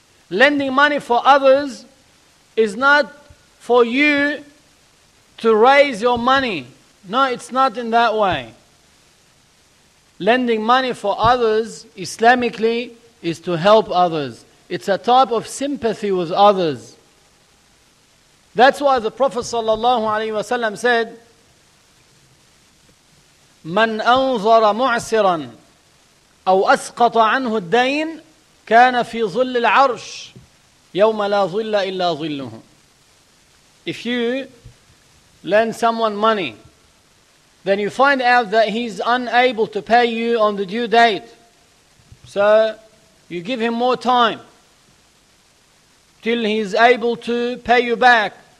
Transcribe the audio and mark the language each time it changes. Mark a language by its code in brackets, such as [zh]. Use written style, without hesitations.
[en] Lending money for others is not for you to raise your money. No, it's not in that way. Lending money for others, Islamically, is to help others. It's a type of sympathy with others. That's why the Prophet sallallahu alaihi wasallam said, [ar] مَنْ أَنْظَرَ مُعْسِرًا أَوْ أَسْقَطَ عَنْهُ الدَّيْنِ كَانَ فِي ظُلِّ الْعَرْشِ يَوْمَ لَا ظُلَّ إِلَّا ظُلُّهُ. [en] If you lend someone money, then you find out that he's unable to pay you on the due date. So you give him more time till he's able to pay you back.